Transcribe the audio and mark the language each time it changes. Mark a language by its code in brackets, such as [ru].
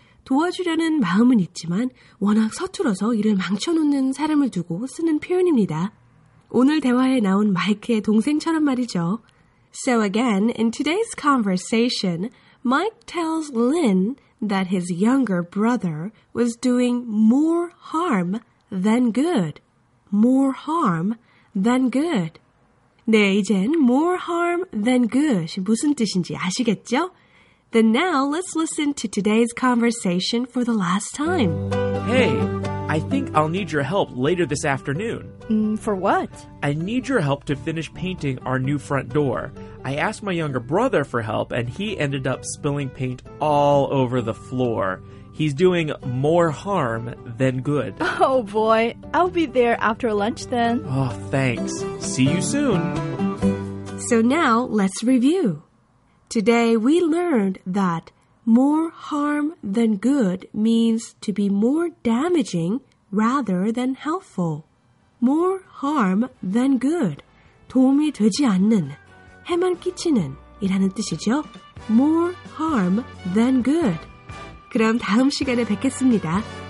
[ko] 도와주려는 마음은 있지만 워낙 서툴어서 일을 망쳐놓는 사람을 두고 쓰는 표현입니다. 오늘 대화에 나온 마이크의 동생처럼 말이죠. [en] So again, in today's conversation, Mike tells Lynn that his younger brother was doing more harm than good. More harm than good. [ko] 네, 이젠 [en] more harm than good [ko] 이 무슨 뜻인지 아시겠죠? [en] Then now, let's listen to today's conversation for the last time. Hey, I think I'll need your help later this afternoon. For what? I need your help to finish painting our new front door. I asked my younger brother for help, and he ended up spilling paint all over the floor. He's doing more harm than good. Oh, boy. I'll be there after lunch then. Oh, thanks. See you soon. So now, let's review. Today, we learned that more harm than good means to be more damaging rather than helpful. More harm than good. [ko] 도움이 되지 않는, 해만 끼치는 이라는 뜻이죠. [en] More harm than good. [ko] 그럼 다음 시간에 뵙겠습니다.